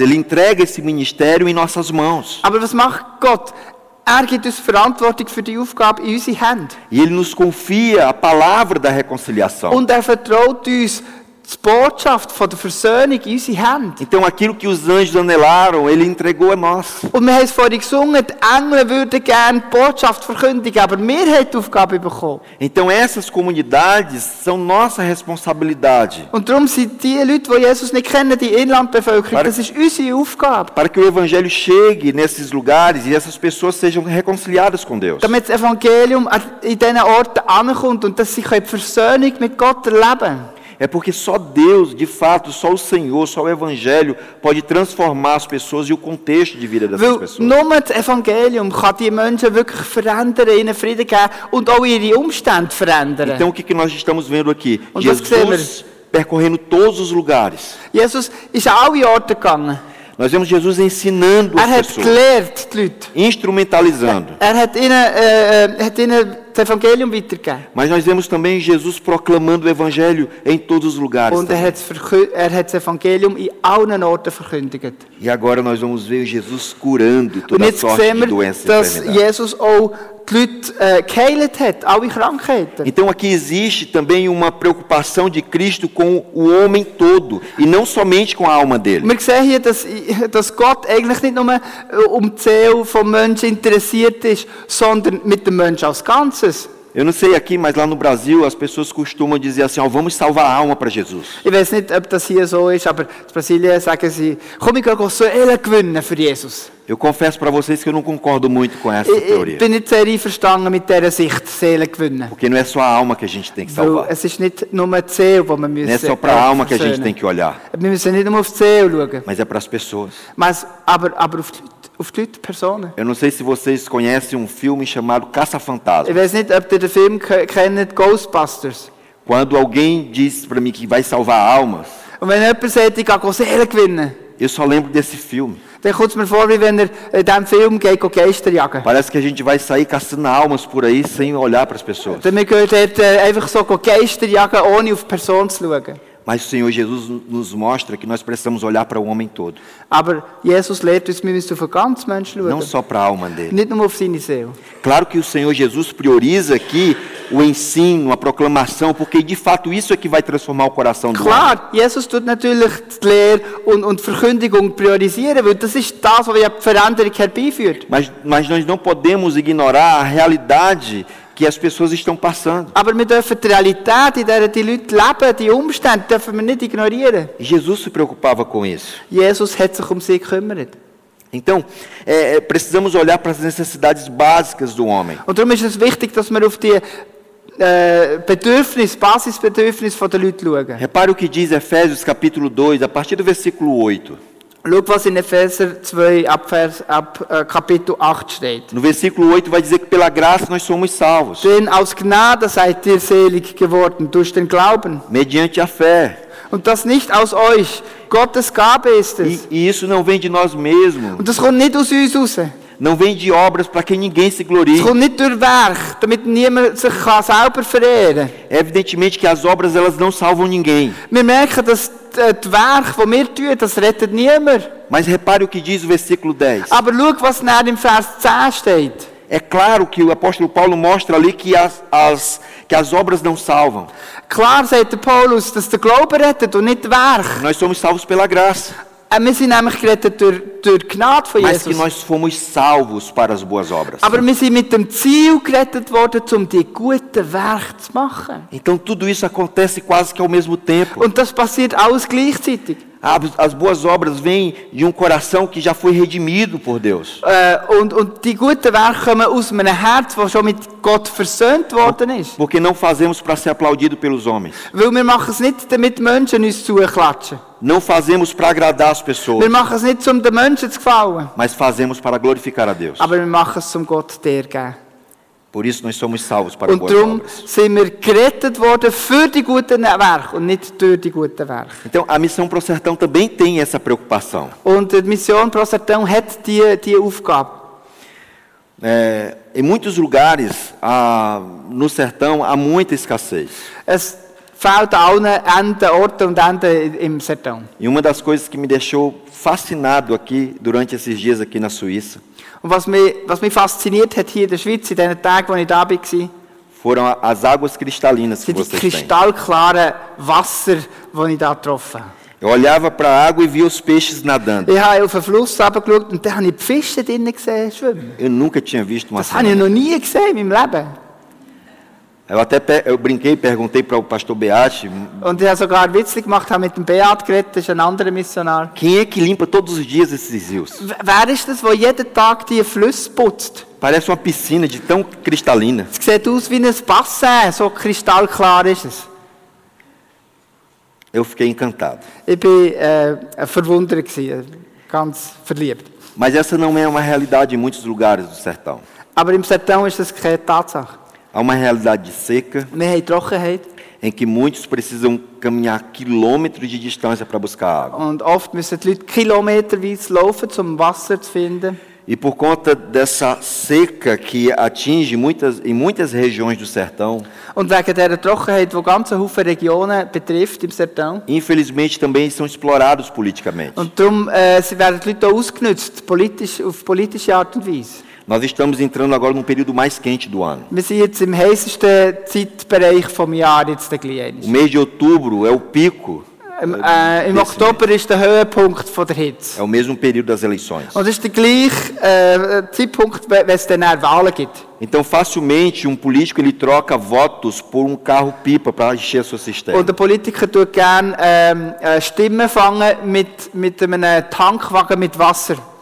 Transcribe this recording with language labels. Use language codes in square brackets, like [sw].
[pt] Ele entrega esse ministério em nossas mãos. [de] Aber was macht Gott? Er gibt uns Verantwortung für die Aufgabe in unsere Hände. [pt] E ele nos confia a palavra da reconciliação. [de] Und er vertraut uns die Botschaft von der Versöhnung in unsere Hände. [pt] Então aquilo que os anjos anelaram, ele entregou a nós. [de] Und wir haben es vorhin gesungen, die Engel würden gerne die Botschaft verkündigen, aber wir haben die Aufgabe bekommen. [pt] Então essas comunidades são nossa responsabilidade. [de] Und darum sind die Leute, die Jesus nicht kennen, die Inlandbevölkerung, das ist unsere Aufgabe. [pt] Para que o Evangelho chegue nesses lugares e essas pessoas sejam reconciliadas com Deus. [de] Damit das Evangelium in diesen Orten ankommt und dass sie die Versöhnung mit Gott erleben können. [pt] É porque só Deus, de fato, só o Senhor, só o Evangelho pode transformar as pessoas e o contexto de vida dessas pessoas. [de] Nur das Evangelium kann die Menschen wirklich verändern, ihnen Frieden geben und auch ihre Umstände verändern. [pt] Então o que nós estamos vendo aqui? Jesus percorrendo todos os lugares. [de] Jesus ist an alle Orte gegangen. [pt] Nós vemos Jesus ensinando as pessoas. [de] Er hat gelehrt, die Leute. [pt] Instrumentalizando. [de] Er hat ihnen das Evangelium weitergeben. [pt] Mas nós vemos também Jesus proclamando o Evangelho em todos os lugares. [de] Und er hat das Evangelium in allen Orten verkündigt. [pt] E agora nós vamos ver Jesus curando toda sorte de doenças. [de] Dass Jesus auch die Leute geheilt hat, alle Krankheiten. [pt] Então aqui existe também uma preocupação de Cristo com o homem todo e não somente com a alma dele. [de] Wir sehen hier, dass Gott eigentlich nicht nur die Seele vom Menschen interessiert ist, sondern mit dem Menschen als Ganzes. [pt] Eu não sei aqui, mas lá no Brasil as pessoas costumam dizer assim, vamos salvar a alma para Jesus. [de] Ich weiß nicht, ob das hier so ist, aber in Brasilien sagen sie, komm, ich kann so Ehre gewinnen für Jesus. [pt] Eu confesso para vocês que eu não concordo muito com essa teoria. [de] Bin nicht sehr einverstanden mit dieser Sicht, Seele gewinnen. [pt] Porque não é só a alma que a gente tem que salvar. [de] Es ist nicht nur die Seele, wo man muss. [pt] Não é só para a alma que a gente tem que olhar. [de] Wir müssen nicht nur auf die Seele schauen. [pt] Mas é para as pessoas. [de] Aber auf die Personen. [pt] Eu não sei se vocês conhecem filme chamado Caça-Fantasma. [de] Ich weiß nicht, ob ihr den Film kennt, Ghostbusters. [pt] Quando alguém diz para mim que vai salvar almas. [de] Und wenn jemand sagt, ich kann Seelen gewinnen. [pt] Eu só lembro desse filme. [de] Dann kommt es mir vor, wie wenn er in diesem Film geht, um Geister zu jagen. [pt] Parece que a gente vai sair caçando almas por aí, sem olhar para as pessoas. [de] Dann wir gehen dort einfach so Geister jagen, ohne auf Personen zu schauen. [pt] Mas o Senhor Jesus nos mostra que nós precisamos olhar para o homem todo. [de] Aber Jesus lehrt uns, wir müssen auf den ganzen Menschen schauen. [pt] Não só para a alma dele. [de] Nicht nur auf seine Seele. [pt] Claro que o Senhor Jesus prioriza aqui o ensino, a proclamação, porque de fato isso é que vai transformar o coração do claro, homem. [de] Claro, Jesus tut natürlich die Lehre und Verkündigung priorisieren, weil das ist das, was die Veränderung herbeiführt. [pt] Mas nós não podemos ignorar a realidade que as pessoas estão passando. [de] Aber wir dürfen die Realität, in der die Leute leben, die Umstände, dürfen wir nicht ignorieren. [pt] Jesus se preocupava com isso. [de] Jesus hat sich um sie gekümmert. [pt] Então, precisamos olhar para as necessidades básicas do homem. [de] Und darum ist es wichtig, dass wir auf die Bedürfnisse, Basisbedürfnisse der Leute schauen. [pt] Repare o que diz Efésios capítulo 2, a partir do versículo 8. [de] Schau, was in Epheser 2, Kapitel 8 steht. [pt] No versículo 8 vai dizer que pela graça nós somos salvos. [de] Denn aus Gnade seid ihr selig geworden, durch den Glauben. [pt] Mediante a fé. [de] Und das nicht aus euch, Gottes Gabe ist es. [pt] E isso não vem de nós mesmos. [de] Und das kommt nicht aus uns raus. [pt] Não vem de obras para que ninguém se glorie. [de] Es kommt nicht durch Werk, damit niemand sich selber verehren. [pt] Evidentemente que as obras elas não salvam ninguém. [de] Wir merken, dass das Werk, das wir tun, das rettet niemand. [pt] Mas repare o que diz o versículo 10. [de] Aber schau, was nach dem Vers 10 steht. [pt] É claro que o apóstolo Paulo mostra ali que as obras não salvam. [de] Klar sagt der Paulus, dass der Glaube rettet und nicht das Werk. [pt] Nós somos salvos pela graça. [de] Wir sind nämlich gerettet durch Gnade von Jesus. [pt] Mas que nós fomos salvos para as boas obras. [de] Aber wir sind mit dem Ziel gerettet worden, um die guten Werke zu machen. [pt] Então tudo isso acontece quase que ao mesmo tempo. [de] Und das passiert alles gleichzeitig. [pt] As boas obras vêm de coração que já foi redimido por Deus. [de] Und die guten Werke kommen aus einem Herz, das schon mit Gott versöhnt worden ist. [pt] Porque não fazemos para ser aplaudido pelos homens. [de] Weil wir machen es nicht, damit Menschen uns zuklatschen. [pt] Não fazemos para agradar as pessoas. [de] Wir machen es nicht, um den Menschen zu gefallen. [pt] Mas fazemos para glorificar a Deus. [de] Aber wir machen es, um Gott zu ergeben. [pt] Por isso nós somos salvos para boas obras. [de] Und darum sind wir gerettet worden für die guten Werke und nicht durch die guten Werke. [pt] Então a Missão Pro Sertão também tem essa preocupação. [de] Und die Mission Pro Sertão hat die Aufgabe. [pt] Em muitos lugares no sertão há muita escassez. [de] Es fehlt allen Enden, Orten und Enden im Sertão. [pt] E uma das coisas que me deixou fascinado aqui durante esses dias aqui na Suíça. [de] Und was mich fasziniert hat hier in der Schweiz in den Tagen, wo ich da war, [pt] foram as águas cristalinas que vocês têm. [de] Die kristallklaren Wasser, wo ich da getroffen. [pt] Eu olhava para a água e via os peixes nadando. [de] Ich habe auf den Fluss abgeschaut und da habe ich Fische drinnen gesehen, schwimmen. [pt] Eu nunca tinha visto uma [de] das habe ich noch nie gesehen in meinem Leben. [pt] Eu brinquei, perguntei para o pastor Beate. [de] Und ich habe sogar ein Witzchen gemacht, habe mit dem Beat geredet, das ist ein anderer Missionar. [pt] Quem é que limpa todos os dias esses rios? [de] Wer ist das, der jeden Tag die Flüsse putzt? [pt] Parece uma piscina de tão cristalina. [de] Es sieht aus wie ein Bassin, so kristallklar ist es. [pt] Eu fiquei encantado. [de] Ich bin verwundert, ganz verliebt. [pt] Mas essa não é uma realidade em muitos lugares do sertão. [de] Aber im Sertão ist das keine Tatsache. [pt] Há uma realidade seca. [de] Wir haben Trockenheit. [pt] Em que muitos precisam caminhar quilômetros de distância para buscar água. [de] Und oft müssen die Leute kilometerweise laufen, um Wasser zu finden. [pt] E por conta dessa seca que atinge muitas, em muitas regiões do sertão. [de] Und wegen der Trockenheit, die ganze Haufen Regionen betrifft im Sertão. [pt] Infelizmente também são explorados politicamente. [de] Und darum, sie werden die Leute ausgenutzt, politisch, auf politische Art und Weise. [pt] Nós estamos entrando agora num período mais quente do ano. [de] Wir sind jetzt im heißesten Zeitbereich vom Jahr jetzt der Klienten. [pt] O mês de outubro é o pico. [de] Im Oktober ist der Höhepunkt von der Hitze. [pt] É o mesmo período das eleições. [de] Und es ist der gleiche Zeitpunkt, wenn es dann auch Wahlen gibt. [pt] Então facilmente um político ele troca votos por um carro pipa para encher sua cisterna. [de] Und der Politiker tut gern Stimmen fangen mit einem Tankwagen mit Wasser.